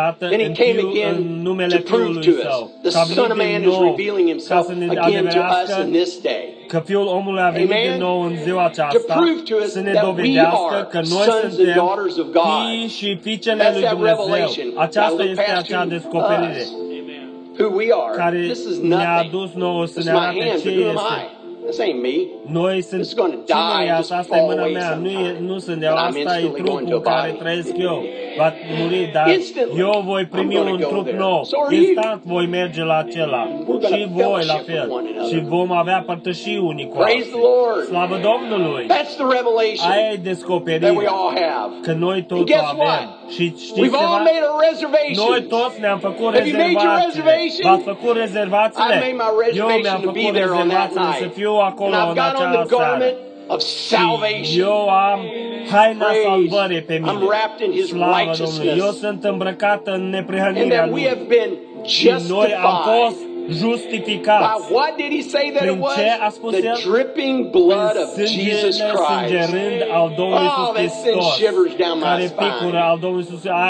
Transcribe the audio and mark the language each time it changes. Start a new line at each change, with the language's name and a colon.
English: Then he came again to prove to us. The Son of Man is revealing himself again to us in this day.
Romanian: Că Fiul omului a venit amen. Din nou în ziua aceasta
English: to prove to us
Romanian: să ne dovedească că noi suntem fii și fiicele lui Dumnezeu. Aceasta este acea descoperire.
English: Who we are.
Romanian: Care
English: this is nothing. This is my hand. But who am I? This ain't me.
Romanian: Noi sunt
English: this is going to die.
Romanian: Asta e mâna mea. Nu sunt eu. Asta e trupul care trăiesc eu. va muri, dar io voi primi un trup nou. Instant voi merge la acela. Și voi la fel. Și vom avea părtășii unii cu alții. Slavă Domnului! Aia e descoperirea că noi toți avem. Și știți ceva?
English: We've all made our reservations.
Romanian: Noi toți ne-am făcut rezervațiile. V-ați făcut rezervațiile? Eu mi-am făcut rezervațiile să fiu acolo în acea seară.
English: Salvation.
Romanian: Eu am haina salvării pe mine.
English: I'm wrapped in his righteousness.
Romanian: Eu sunt îmbrăcat în neprihănirea lui.
English: And that we have been justified.
Romanian: Noi am fost justificați.
English: By what did he say that it was? The dripping blood of Jesus Christ.
Romanian: Sângerând al Domnului Iisus Hristos. Care picură al Domnului Iisus Hristos.